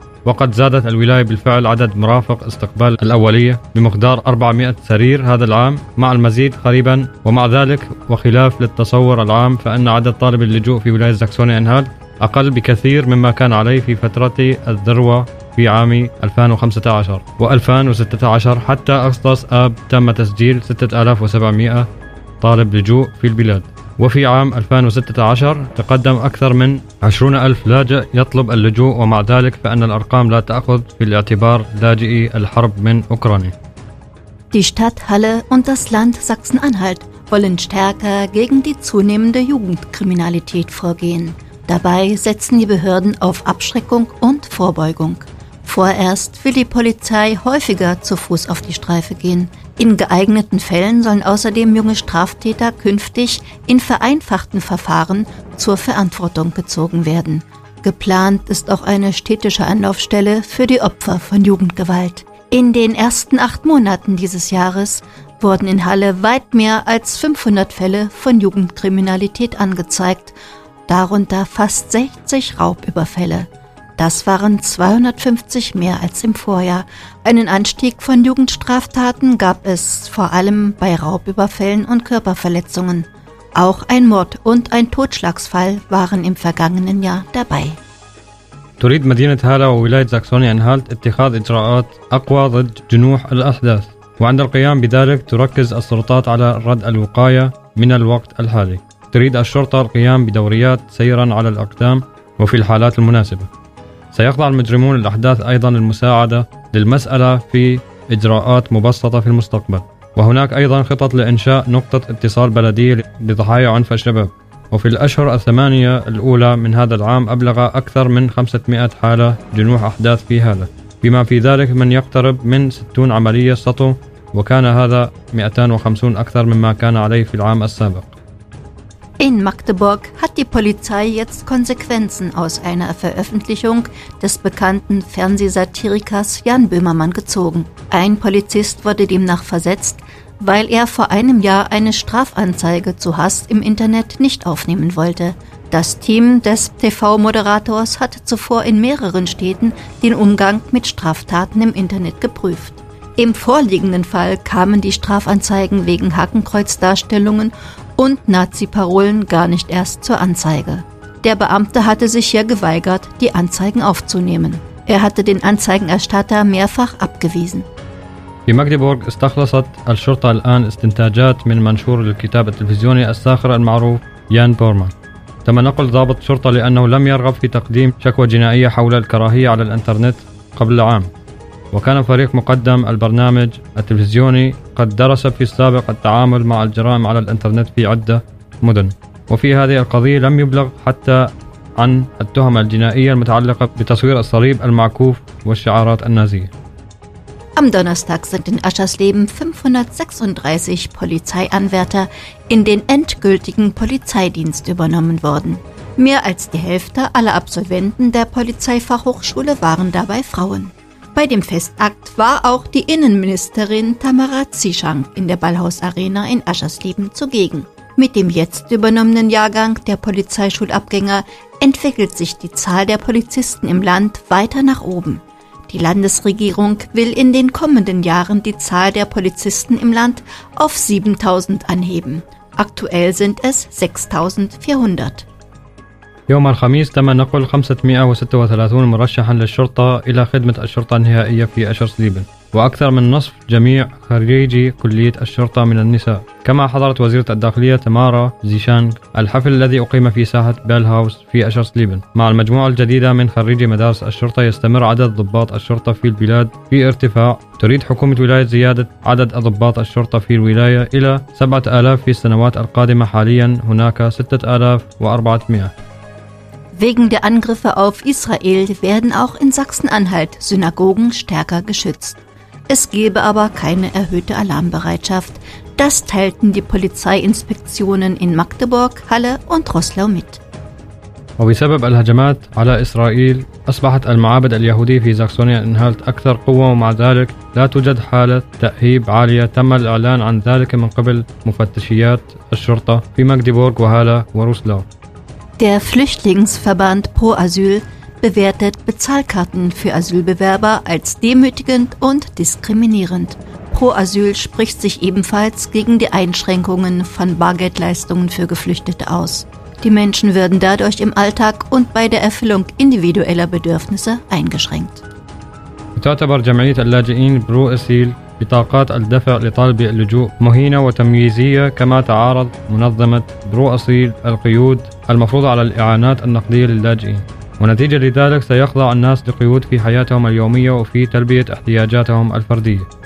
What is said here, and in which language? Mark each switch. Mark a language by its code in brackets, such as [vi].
[ar] وقد زادت الولاية بالفعل عدد مرافق استقبال الأولية بمقدار 400 سرير هذا العام مع المزيد قريبا ومع ذلك وخلاف للتصور العام فأن عدد طالب اللجوء في ولاية سكسون-أنهالت أقل بكثير مما كان عليه في فترة الذروة في عام 2015 و2016 حتى أغسطس آب تم تسجيل 6700 طالب لجوء في البلاد وفي عام 2016 تقدم أكثر من 20,000 لاجئ يطلب اللجوء ومع ذلك فإن الأرقام لا تأخذ في الاعتبار لاجئي الحرب من أوكرانيا. [de] Die Stadt Halle und das Land Sachsen-Anhalt wollen stärker gegen die zunehmende Jugendkriminalität vorgehen. Dabei setzen die Behörden auf Abschreckung und Vorbeugung. Vorerst will die Polizei häufiger zu Fuß auf die Streife gehen. In geeigneten Fällen sollen außerdem junge Straftäter künftig in vereinfachten Verfahren zur Verantwortung gezogen werden. Geplant ist auch eine städtische Anlaufstelle für die Opfer von Jugendgewalt. In den ersten 8 Monaten dieses Jahres wurden in Halle weit mehr als 500 Fälle von Jugendkriminalität angezeigt, darunter fast 60 Raubüberfälle. Das waren 250 mehr als im Vorjahr. Einen Anstieg von Jugendstraftaten gab es vor allem bei Raubüberfällen und Körperverletzungen. Auch ein Mord und ein Totschlagsfall waren im vergangenen Jahr dabei. [ar] تريد مدينة هالة وولاية سكسون-أنهالت اتخاذ إجراءات أقوى ضد جنوح الأحداث. وعند القيام بذلك تركز السلطات على رد الوقاية من الوقت الحالي. تريد الشرطة القيام بدوريات سيرا على الأقدام وفي الحالات المناسبة. سيخضع المجرمون الأحداث أيضاً للمساعدة للمسألة في إجراءات مبسطة في المستقبل وهناك أيضاً خطط لإنشاء نقطة اتصال بلدية لضحايا عنف الشباب وفي الأشهر الثمانية الأولى من هذا العام أبلغ أكثر من 500 حالة جنوح أحداث في هالة بما في ذلك من يقترب من 60 عملية سطو وكان هذا 250 أكثر مما كان عليه في العام السابق [de] In Magdeburg hat die Polizei jetzt Konsequenzen aus einer Veröffentlichung des bekannten Fernsehsatirikers Jan Böhmermann gezogen. Ein Polizist wurde demnach versetzt, weil er vor einem Jahr eine Strafanzeige zu Hass im Internet nicht aufnehmen wollte. Das Team des TV-Moderators hat zuvor in mehreren Städten den Umgang mit Straftaten im Internet geprüft. Im vorliegenden Fall kamen die Strafanzeigen wegen Hakenkreuzdarstellungen und Nazi-Parolen gar nicht erst zur Anzeige. Der Beamte hatte sich hier geweigert, die Anzeigen aufzunehmen. Er hatte den Anzeigenerstatter mehrfach abgewiesen. [ar] في مكدبورغ استخلصت الشرطة الآن استنتاجات من منشور الكتاب التلفزيوني الساخر المعروف يان بورمان. تم نقل ضابط شرطة لأنه لم يرغب في تقديم شكوى جنائية حول الكراهية على الانترنت قبل عام. وكان فريق مقدم البرنامج التلفزيوني قد درس في السابق التعامل مع الجرائم على الانترنت في عدة مدن. وفي هذه القضية لم يبلغ حتى عن التهم الجنائية المتعلقة بتصوير الصليب المعكوف والشعارات النازية. [de] Am Donnerstag sind in Aschersleben 536 Polizeianwärter in den endgültigen Polizeidienst übernommen worden. Mehr als die Hälfte aller Absolventen der Polizeifachhochschule waren dabei Frauen. Bei dem Festakt war auch die Innenministerin Tamara Tsishang in der Ballhaus-Arena in Aschersleben zugegen. Mit dem jetzt übernommenen Jahrgang der Polizeischulabgänger entwickelt sich die Zahl der Polizisten im Land weiter nach oben. Die Landesregierung will in den kommenden Jahren die Zahl der Polizisten im Land auf 7.000 anheben. Aktuell sind es 6.400. [ar] يوم الخميس تم نقل 536 مرشحاً للشرطة إلى خدمة الشرطة النهائية في أشرسليبن، وأكثر من نصف جميع خريجي كلية الشرطة من النساء. كما حضرت وزيرة الداخلية تمارا زيشانغ الحفل الذي أقيم في ساحة بيلهاوس في أشرسليبن مع المجموعة الجديدة من خريجي مدارس الشرطة. يستمر عدد ضباط الشرطة في البلاد في ارتفاع. تريد حكومة ولاية زيادة عدد ضباط الشرطة في الولاية إلى 7,000 في السنوات القادمة. حالياً هناك 6,400. [de] Wegen der Angriffe auf Israel werden auch in Sachsen-Anhalt Synagogen stärker geschützt. Es gebe aber keine erhöhte Alarmbereitschaft. Das teilten die Polizeiinspektionen in Magdeburg, Halle und Roßlau mit. [ar] وبسبب الهجمات على إسرائيل أصبحت المعابد اليهودية في ساكسونيا انهالت أكثر قوة، ومع ذلك لا توجد حالة تأهيب عالية. تم الإعلان عن ذلك من قبل مفتشيات الشرطة في ماجدبورغ وهالة وروسلاو. [de] Der Flüchtlingsverband Pro Asyl bewertet Bezahlkarten für Asylbewerber als demütigend und diskriminierend. Pro Asyl spricht sich ebenfalls gegen die Einschränkungen von Bargeldleistungen für Geflüchtete aus. Die Menschen werden dadurch im Alltag und bei der Erfüllung individueller Bedürfnisse eingeschränkt. [ar] تعتبر جمعية اللاجئين برو أسيل بطاقات الدفع لطالبي اللجوء مهينة وتمييزية، كما تعارض منظمة برو أسيل القيود المفروضة على الإعانات النقدية للاجئين، ونتيجة لذلك سيخضع الناس لقيود في حياتهم اليومية وفي تلبية احتياجاتهم الفردية.